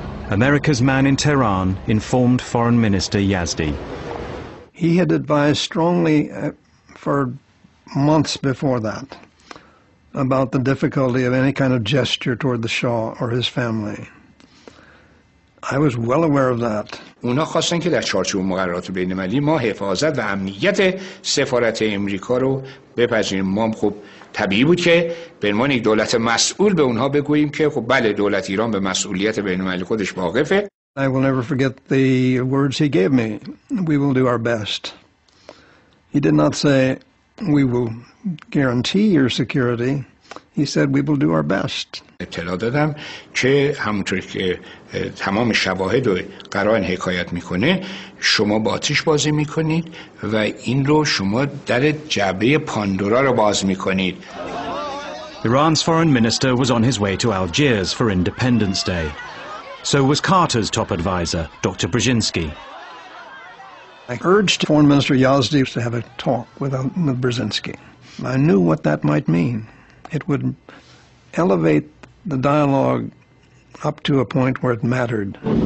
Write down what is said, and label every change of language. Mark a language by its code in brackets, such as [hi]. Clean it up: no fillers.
[en] America's man in Tehran informed Foreign Minister Yazdi. He had advised strongly for months before that about the difficulty of any kind of gesture toward the Shah or his family. I was well aware of that. [fa] اونا خواستن که در چارچوب مقررات بین‌المللی ما حفاظت و امنیت سفارت امریکا رو بپذیریم. ما خب طبیعی بود که به عنوان یک دولت مسئول به اونها بگوییم که خب بله دولت ایران به مسئولیت بین‌المللی خودش واقفه. [en] I will never forget the words he gave me. We will do our best. He did not say we will guarantee your security. He said, we will do our best. [fa] اطلاع دادم چه همونطور که تمام شواهد رو قرآن حکایت میکنه شما با آتش بازی میکنید و این رو شما در جعبه پاندورا رو باز میکنید. [en] Iran's foreign minister was on his way to Algiers for Independence Day. So was Carter's top advisor, Dr. Brzezinski. I urged Foreign Minister Yazdi to have a talk with Brzezinski. I knew what that might mean. It would elevate the dialogue up to a point where it mattered.